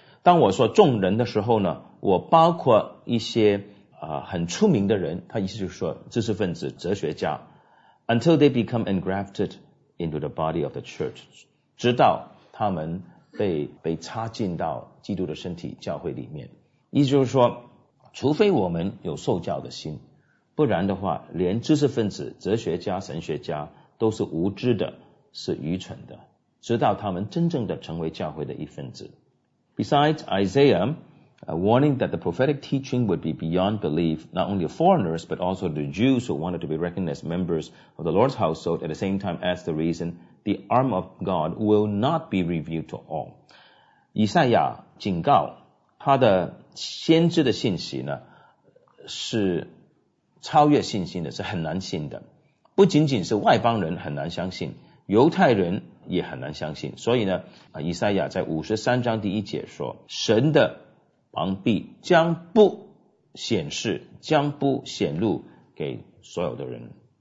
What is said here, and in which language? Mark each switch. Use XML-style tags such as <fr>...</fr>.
<zh>当我说众人的时候呢，我包括一些很出名的人，他意思就是说知识分子、哲学家，</zh> <en>until they become engrafted into the body of the church，</en> <zh>直到他们被插进到基督的身体教会里面。意思就是说，除非我们有受教的心，不然的话，连知识分子、哲学家、神学家都是无知的，是愚蠢的，直到他们真正的成为教会的一份子。</zh> <en>Besides Isaiah, a warning that the prophetic teaching would be beyond belief, not only of foreigners, but also the Jews who wanted to be recognized as members of the Lord's household, at the same time as the reason the arm of God will not be revealed to all.</en> <zh>以赛亚警告他的先知的信息呢，是超越信心的，是很难信的。不仅仅是外邦人很难相信，犹太人也很难相信。所以呢，以赛亚在53章第一节说，神的膀臂将不显示，将不显露给所有的人。</zh>